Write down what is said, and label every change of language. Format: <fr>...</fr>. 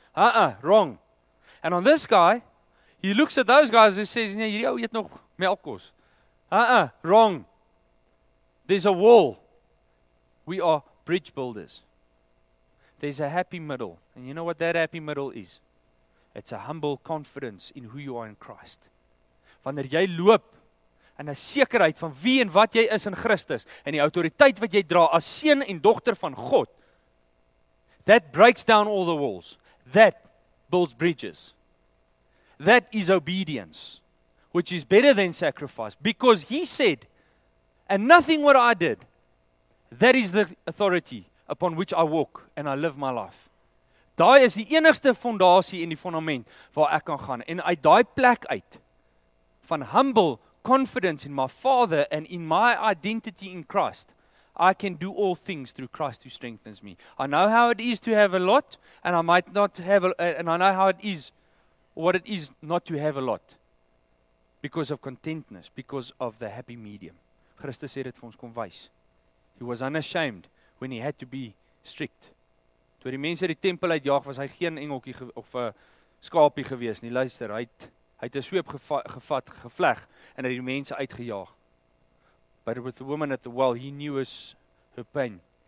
<en>Wrong. And on this guy, he looks at those guys and says,</en> <af>nee, hierdie ou eet nog melkkos.</af> <en>Wrong. There's a wall. We are bridge builders. There's a happy middle. And you know what that happy middle is? It's a humble confidence in who you are in Christ.</en> <af>Wanneer jy loop in 'n sekerheid van wie en wat jy is in Christus en die autoriteit wat jy dra as seun en dogter van God,</af> <en>that breaks down all the walls. That builds bridges. That is obedience, which is better than sacrifice, because he said, and nothing what I did, that is the authority upon which I walk and I live my life.</en> <af>Daai is die enigste fondasie en die fondament waar ek kan gaan. En uit daai plek uit, van</af> <en>humble confidence in my Father and in my identity in Christ, I can do all things through Christ who strengthens me. I know how it is to have a lot, and I might not have, and I know how it is, what it is not to have a lot, because of contentness, because of the happy medium.</en> <af>Christus sê dit vir ons kom wys.</af> <en>He was unashamed when he had to be strict.</en> <af>Toe die mense die tempel uitjaag, was hy geen engeltjie of 'n skaapie gewees nie. Luister, hy het 'n sweep gevat, gevleg, en hy die mense uitgejaag.</af> <en>But with the woman at the well, he knew her pain.</en>